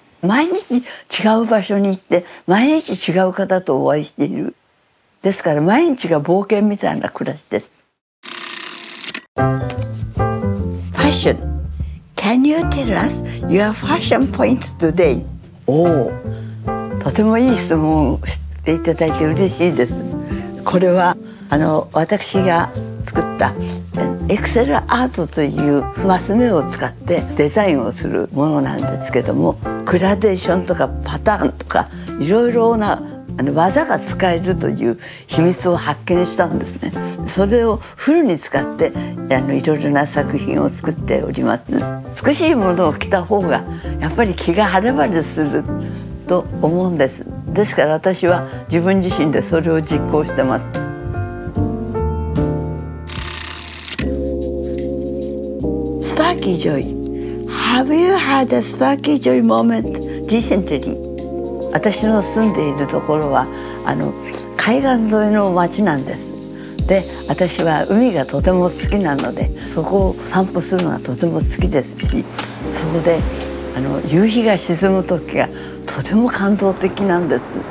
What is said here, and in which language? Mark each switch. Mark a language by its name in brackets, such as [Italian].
[Japanese] 毎日違う場所に行って毎日違う方とお会いしている。ですから毎日が冒険みたいな暮らしです。 [English] ファッション。 Can you tell us your fashion point today? [Japanese] おお、とてもいい質問をしていただいて嬉しいです。これは私が作ったエクセルアートというマス目を使ってデザインをするものなんですけども、グラデーションとかパターンとかいろいろな技が使えるという秘密を発見したんですね。それをフルに使っていろいろな作品を作っております。美しいものを着た方がやっぱり気が晴れ晴れすると思うんです。ですから私は自分自身でそれを実行してます。 [English] スパーキージョイ。 Have you had a Sparky Joy moment recently? [Japanese] 私の住んでいるところは海岸沿いの町なんです。で、私は海がとても好きなのでそこを散歩するのがとても好きですし、そこで夕日が沈む時がとても感動的なんです。